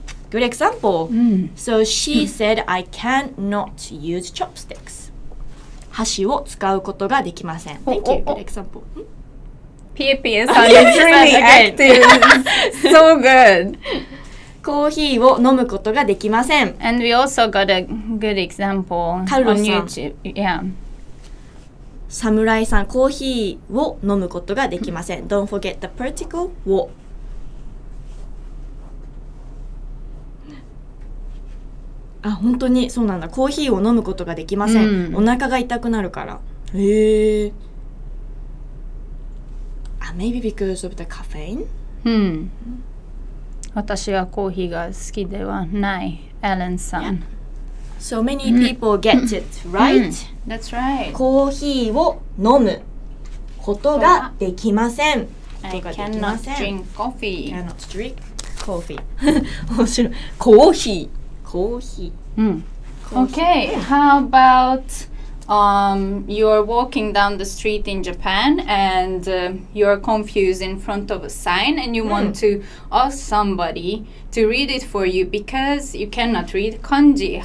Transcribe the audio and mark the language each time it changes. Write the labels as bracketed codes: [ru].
[en] Good example.、So she said, I cannot use chopsticks. [ja] 箸を使うことができません。 [en] Thank you. Good example. PAPSan is really active. so good. [ja] コーヒーを飲むことができません。 [en] And we also got a good example on YouTube. Yeah. [ja] サムライさん、コーヒーを飲むことができません。 [en] Don't forget the particle を。 [ja] あ、本当にそうなんだ。コーヒーを飲むことができません。お腹が痛くなるから。へぇ。 [en] あ、maybe because of the caffeine? うん。 [ja] 私はコーヒーが好きではない、エレンさん。 [en] So many people get it, right? That's right. [ja] コーヒーを飲むことができません。 [en] Okay, how about you're walking down the street in Japan and you're confused in front of a sign and you want to ask somebody to read it for you because you cannot read kanji.